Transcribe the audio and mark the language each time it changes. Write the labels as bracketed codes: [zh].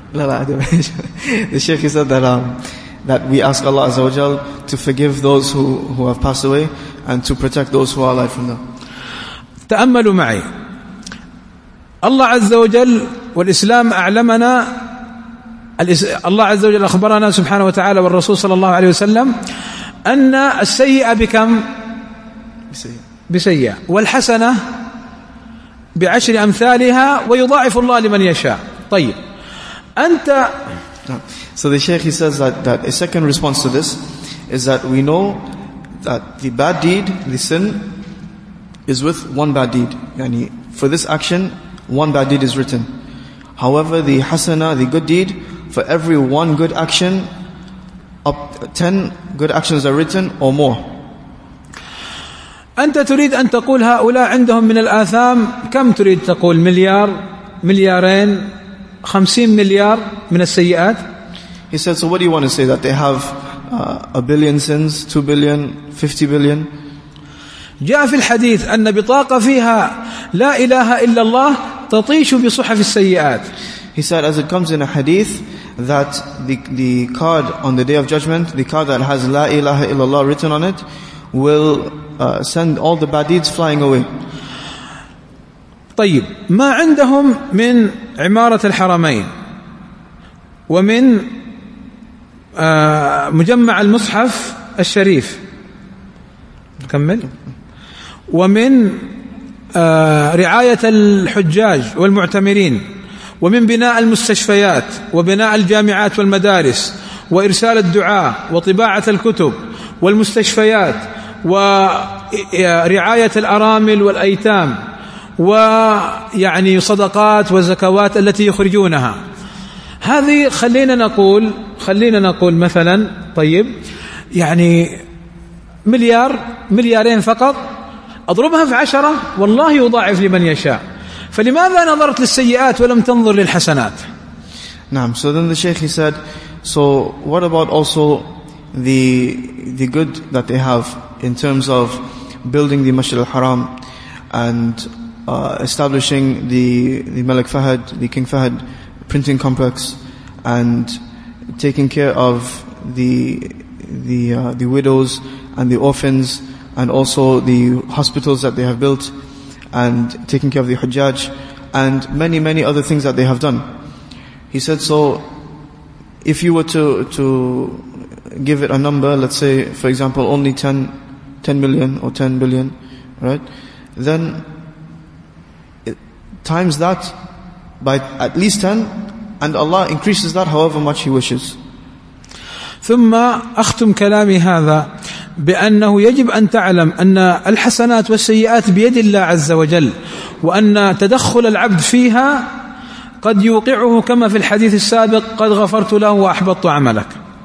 [ar] لا لا [en] the Sheikh said that we ask Allah Azza wa Jal to forgive those who have passed away and to protect those who are alive from them. [ar] تأملوا معي. الله عز وجل والإسلام أعلمنا الله عز وجل أخبرنا سبحانه وتعالى والرسول صلى الله عليه وسلم أن السيئة بكم؟ بسيئة والحسنة بعشر أمثالها ويضاعف الله لمن يشاء. طيب أنت. [en] So the Shaykh he says that a second response to this is that we know that the bad deed, the sin, is with one bad deed. يعني for this action, one bad deed is written. However, the hasana, the good deed, for every one good action, 10 good actions are written or more. [ar] أنت تريد أن تقول هؤلاء عندهم من الآثام كم تريد تقول مليار مليارين 50 مليار من السيئات. [en] He said, so what do you want to say, that they have a billion sins, 2 billion, 50 billion. [ar] جاء في الحديث أن بطاقة فيها لا إله إلا الله تطيش بصحف السيئات. [en] He said, as it comes in a hadith, that the card on the day of judgment, the card that has La ilaha illallah written on it, will send all the bad deeds flying away. [ar] طيب ما عندهم من عمارة الحرمين ومن مجمع المصحف الشريف نكمل ومن رعاية الحجاج والمعتمرين ومن بناء المستشفيات وبناء الجامعات والمدارس وإرسال الدعاء وطباعة الكتب والمستشفيات ورعاية الأرامل والأيتام ويعني صدقات وزكوات التي يخرجونها. هذه خلينا نقول مثلا طيب يعني مليار مليارين فقط أضربها في 10 والله يضاعف لمن يشاء. فلماذا نظرت للسيئات ولم تنظر للحسنات؟ نعم. [en] So then the sheikh, he said, so what about also the good that they have in terms of building the Masjid al-Haram and establishing the Malik Fahad, the King Fahad printing complex, and taking care of the widows and the orphans, and also the hospitals that they have built, and taking care of the Hujjaj, and many, many other things that they have done. He said, so if you were to give it a number, let's say, for example, only 10 million or 10 billion, right? Then it, times that by at least 10, and Allah increases that however much He wishes. [ar] ثم أختم كلامي هذا بأنه يجب أن تعلم أن الحسنات والسيئات بيد الله عز وجل وأن تدخل العبد فيها قد يوقعه كما في الحديث السابق قد غفرت له وأحبطت عملك.